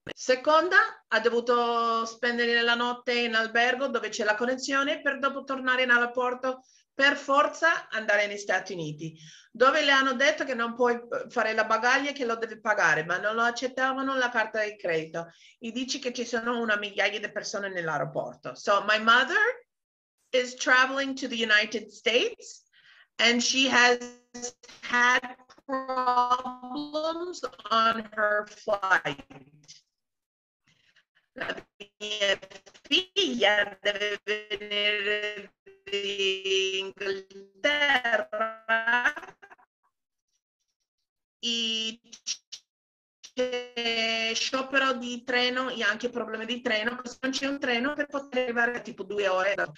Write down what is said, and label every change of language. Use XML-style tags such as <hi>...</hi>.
<it>Seconda, ha dovuto spendere la notte in albergo dove c'è la connessione per dopo tornare in aeroporto per forza andare negli Stati Uniti, dove le hanno detto che non puoi fare la bagaglia e che lo devi pagare, ma non lo accettavano la carta di credito. E dici che ci sono una migliaia di persone nell'aeroporto.</it> <en>So, my mother is traveling to the United States and she has had problems on her flight.</en> <it>La mia figlia deve venire d'Inghilterra e c'è sciopero di treno e anche problemi di treno, così non c'è un treno per poter arrivare a tipo 2 ore.</it>